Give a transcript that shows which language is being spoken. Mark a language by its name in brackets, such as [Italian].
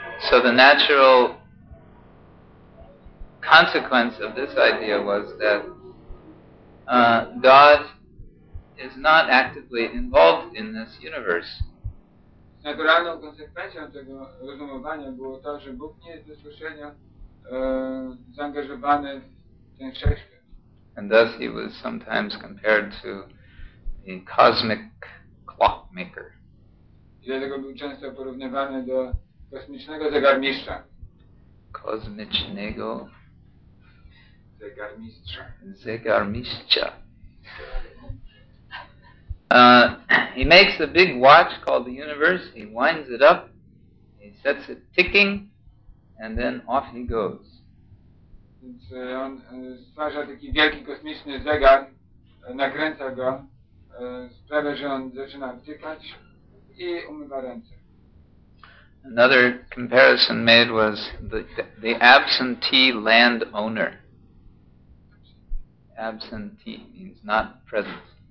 [English] So the natural consequence of this idea was that God is not actively involved in this universe. [Polish] Naturalną konsekwencją tego rozumowania było to, że Bóg nie jest bezpośrednio zaangażowany w ten wszechświat. [English] And thus he was sometimes compared to the cosmic clockmaker. [Polish] Dlatego był często porównywany do kosmicznego zegarmistrza. Kosmicznego zegarmistrza. Zegarmistrza. [English] He makes a big watch called the universe. He winds it up. He sets it ticking. And then off he goes. [Polish] Więc on stwarza taki wielki kosmiczny zegar. Nakręca go. Sprawia, że on zaczyna wtykać i umywa ręce. [English] Another comparison made was the absentee land owner. Absentee means not present.